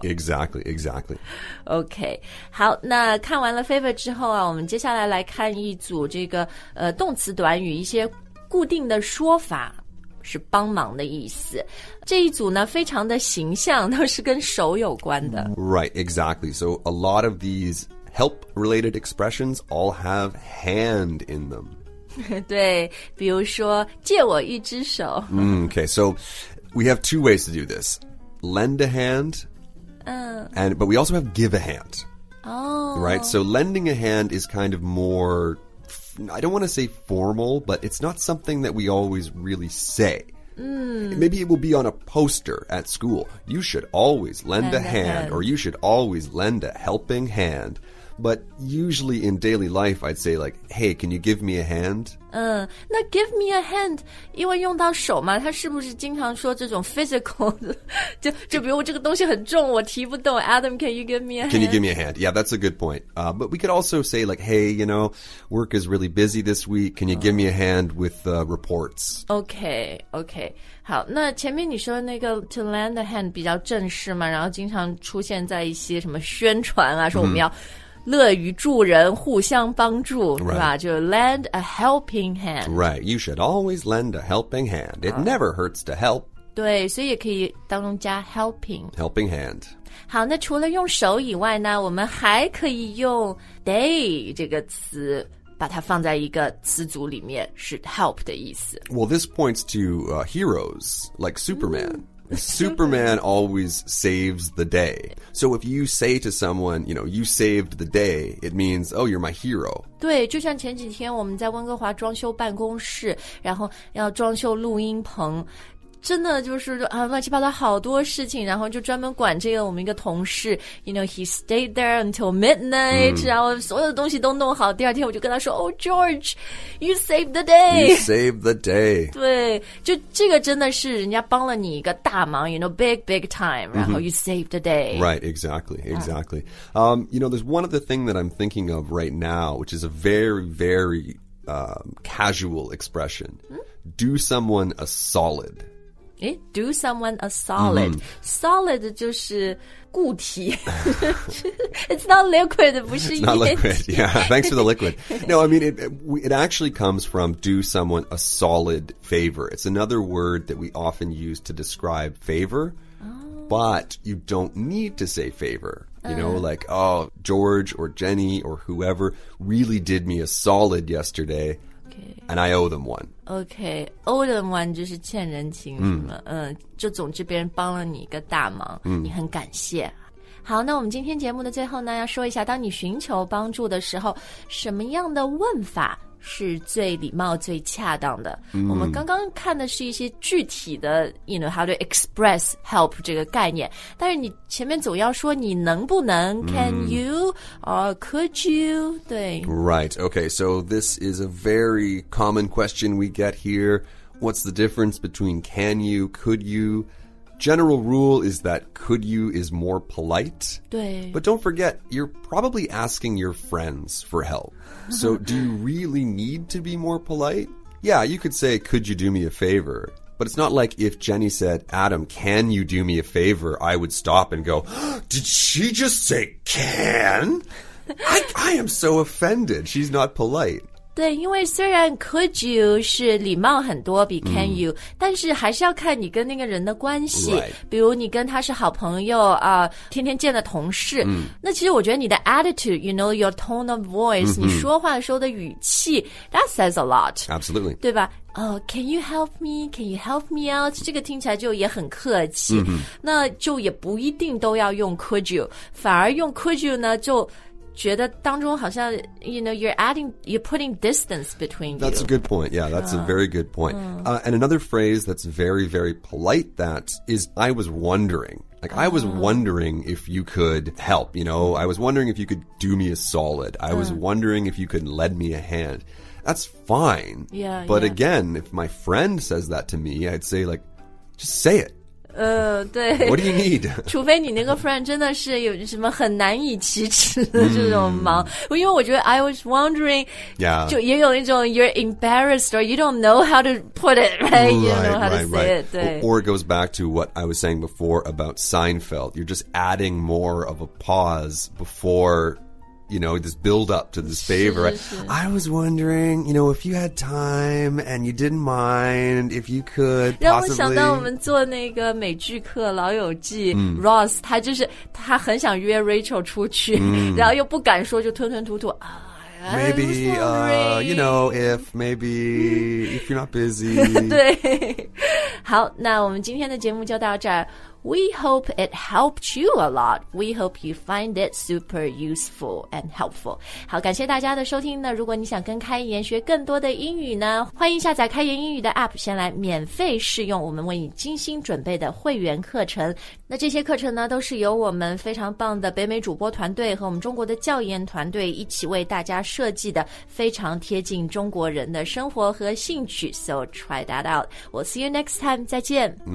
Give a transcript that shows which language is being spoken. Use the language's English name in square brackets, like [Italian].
[English] Right, exactly, exactly. Okay. [Chinese] 好，那看完了 favor 之后啊，我们接下来来看一组这个动词短语，一些固定的说法是帮忙的意思。这一组呢，非常的形象，都是跟手有关的。 [English] Right, exactly. So a lot of these help-related expressions all have hand in them. [Chinese] 对，比如说借我一只手。 [English] Okay, so we have two ways to do this. Lend a hand, but we also have give a hand. Oh. Right, so lending a hand is kind of more, I don't want to say formal, but it's not something that we always really say. Maybe it will be on a poster at school. You should always lend a hand, or you should always lend a helping hand. But usually in daily life, I'd say like, hey, can you give me a hand? [Chinese] 那 [English] give me a hand, [Chinese] 因为用到手嘛，他是不是经常说这种 [English] physical, [Chinese] 就比如这个东西很重，我提不动。 [English] Adam, can you give me a hand? Can you give me a hand? Yeah, that's a good point. But we could also say like, hey, you know, work is really busy this week. Can you give me a hand with reports? Okay, okay. [Chinese] 好，那前面你说的那个 [English] to lend a hand [Chinese] 比较正式嘛，然后经常出现在一些什么宣传啊，说我们要乐于助人，互相帮助，是吧？ [English] 就 lend a helping hand. Right, you should always lend a helping hand. It never hurts to help. [Chinese] 对，所以也可以当中加 helping. [English] Helping hand. [Chinese] 好，那除了用手以外呢，我们还可以用 day 这个词。把它放在一个词组里面是 help 的意思。 [English] Well, this points to heroes like Superman. Superman always saves the day. So if you say to someone, you know, you saved the day, it means, oh, you're my hero. [Chinese] 对，就像前几天我们在温哥华装修办公室，然后要装修录音棚，真的就是啊，乱七八糟好多事情，然后就专门管这个我们一个同事。 [English] You know, he stayed there until midnight,、 [Chinese] 然后所有的东西都弄好。第二天我就跟他说 [English] ，Oh, George, you saved the day. You saved the day. [Chinese] 对，就这个真的是人家帮了你一个大忙。 [English] You know, big, big time.、 [Chinese] 然后 [English] you saved the day. Right, exactly, exactly.、you know, there's one other thing that I'm thinking of right now, which is a very, very、casual expression.、Do someone a solid. Do someone a solid.、Solid [Chinese] 就是固体。 [English] It's not liquid, [Chinese] 不是液体。 [English] It's not liquid, yeah. Thanks for the liquid. No, I mean, it actually comes from do someone a solid favor. It's another word that we often use to describe favor,、but you don't need to say favor. You know, like, oh, George or Jenny or whoever really did me a solid yesterday. And I owe them one. [Chinese] Okay, [English] owe them one [Chinese] 就是欠人情什么、就总之别人帮了你一个大忙、你很感谢。好，那我们今天节目的最后呢，要说一下，当你寻求帮助的时候，什么样的问法是最礼貌最恰当的、嗯、我们刚刚看的是一些具体的 [English] you know how to express help [Chinese] 这个概念，但是你前面总要说你能不能、嗯、 [English] can you or could you [Chinese] 对 [English] right okay so this is a very common question we get here what's the difference between can you could you general rule is that could you is more polite [Chinese] 对 [English] but don't forget you're probably asking your friends for helpSo, do you really need to be more polite? Yeah, you could say, could you do me a favor? But it's not like if Jenny said, Adam, can you do me a favor? I would stop and go, did she just say can? I am so offended. She's not polite. [Chinese] 对，因为虽然 [English] could you [Chinese] 是礼貌很多比 [English] can you,、 [Chinese] mm. 但是还是要看你跟那个人的关系。 [English] Right. [Chinese] 比如你跟他是好朋友、天天见的同事、 mm. 那其实我觉得你的 [English] attitude, you know, your tone of voice,、 mm-hmm. [Chinese] 你说话的时候的语气 [English] that says a lot. Absolutely. [Chinese] 对吧 [English] can you help me? Can you help me out? [Chinese] 这个听起来就也很客气、 mm-hmm. 那就也不一定都要用 [English] could you, [Chinese] 反而用 could you 呢就觉得当中好像 [English] you know, you're putting distance between you. That's a good point. Yeah, that's a very good point.、And another phrase that's very, very polite that is, I was wondering. Like,、I was wondering if you could help, you know. I was wondering if you could do me a solid. I was wondering if you could lend me a hand. That's fine. Yeah, but yeah. again, if my friend says that to me, I'd say like, just say it. [Chinese] 对 [English] What do you need? [Chinese] 除非你那个 friend 真的是有什么很难以启齿的这种忙、mm. 因为我觉得 [English] I was wondering、 yeah. [Chinese] 就也有一种 [English] you're embarrassed or you don't know how to put it, right? Right, you don't know how right, to say right. it. [Chinese] 对 [English] or it goes back to what I was saying before about Seinfeld. You're just adding more of a pause before, you know, this build up to this favor. [Chinese] 是是是 [English] I was wondering, you know, if you had time and you didn't mind, if you could possibly... [Chinese] 让我想到我们做那个美剧课老友记、 mm. Ross, 他就是他很想约 Rachel 出去、 mm. 然后又不敢说就吞吞吐吐、 [English] Maybe, you know, if, maybe, if you're not busy. [Chinese] 对。好，那我们今天的节目就到这儿。 [English] We hope it helped you a lot. We hope you find it super useful and helpful. [Chinese] 好，感谢大家的收听呢。如果你想跟开言学更多的英语呢，欢迎下载开言英语的 app， 先来免费试用我们为你精心准备的会员课程。那这些课程呢，都是由我们非常棒的北美主播团队和我们中国的教研团队一起为大家设计的，非常贴近中国人的生活和兴趣。 [English] So try that out. We'll see you next time. [Chinese] 再见。